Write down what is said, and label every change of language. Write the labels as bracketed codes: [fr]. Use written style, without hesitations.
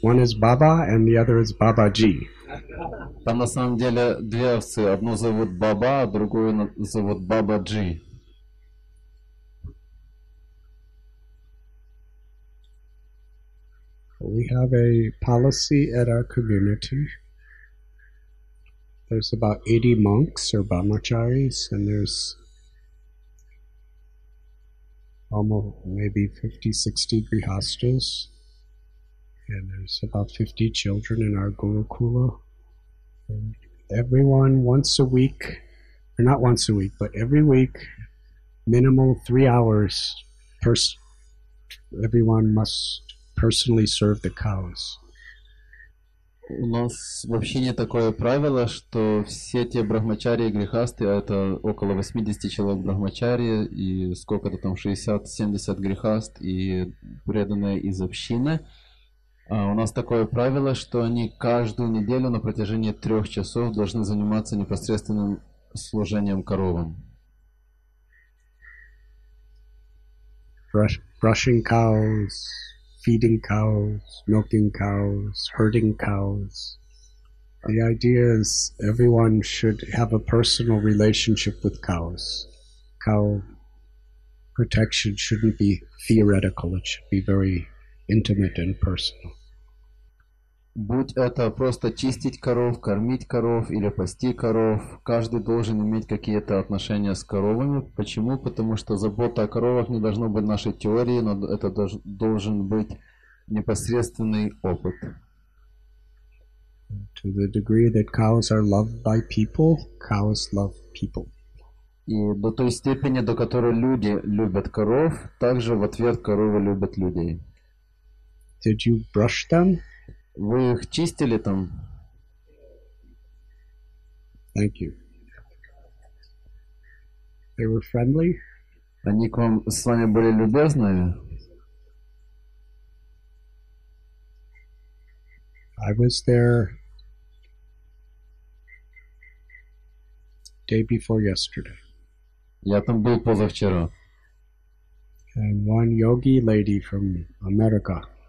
[en] One is Baba and the other is Babaji. [ru] Там на самом деле две овцы. Одну зовут Баба, а другую зовут Бабаджи. [en] We have a policy at our community. There's about 80 monks or brahmacharis, and there's almost maybe 50-60 grihastas, and there's about 50 children in our gurukula. And everyone once a week, or not once a week, but every week, minimal 3 hours, everyone must personally serve the cows. [ru] У нас вообще не такое правило, что все те брахмачари и грехасты, а это около 80 человек брахмачари и сколько-то там 60-70 грехаст и преданные из общины. А у нас такое правило, что они каждую неделю на протяжении 3 часов должны заниматься непосредственным служением коровам. [en] Brushing cows. Feeding cows, milking cows, herding cows. The idea is everyone should have a personal relationship with cows. Cow protection shouldn't be theoretical, it should be very intimate and personal. [ru] Будь это просто чистить коров, кормить коров или пасти коров, каждый должен иметь какие-то отношения с коровами. Почему? Потому что забота о коровах не должна быть нашей теорией, но это должен быть непосредственный опыт. [en] To the degree that cows are loved by people, cows love people. [ru] И до той степени, до которой люди любят коров, также в ответ коровы любят людей. [en] Did you brush them? [ru] Вы их чистили там? [en] Thank you. They were friendly. [ru] Они к вам с вами были любезные? [en] I was there day before yesterday. [ru] Я там был позавчера. [en] And one yogi lady from America.